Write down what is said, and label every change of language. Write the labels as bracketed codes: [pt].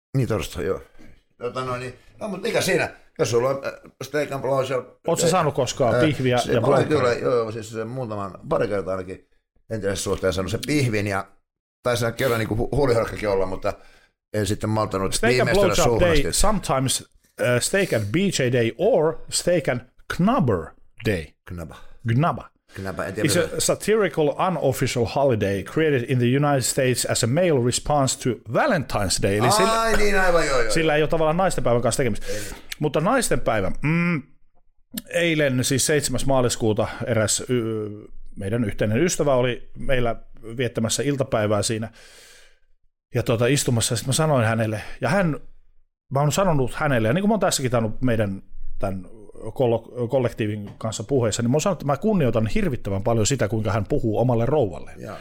[fi] Niin, torstai, joo. Tota, no, niin, no, mutta mikä siinä? Jos sulla on Steak and Blowjob... Oletko saanut koskaan pihviä ja blowjobia? Joo, siis se muutaman, pari kertaa ainakin entisessä suhteen saanut sen pihvin ja... Taisi sen kerran niin huulihorkkakin olla, mutta en sitten maltanut viimeistellä suuhun asti. [en] Steak and Blowjob Day, sometimes Steak and BJ Day or Steak and Knubber Day. Knubba. Knubba. It's a satirical unofficial holiday created in the United States as a male response to Valentine's Day. [fi] Eli sillä, ai niin, aivan joo. Sillä ei ole tavallaan naistenpäivän kanssa tekemistä. Ei. Mutta naistenpäivä. Eilen siis 7. maaliskuuta eräs meidän yhteinen ystävä oli meillä viettämässä iltapäivää siinä ja tuota, istumassa. Sitten mä sanoin hänelle, ja hän, mä oon sanonut hänelle, ja niin kuin mä oon tässäkin tannut meidän tämän kollektiivin kanssa puheessa, niin mä oon sanonut, että mä kunnioitan hirvittävän paljon sitä, kuinka hän puhuu omalle rouvalleen.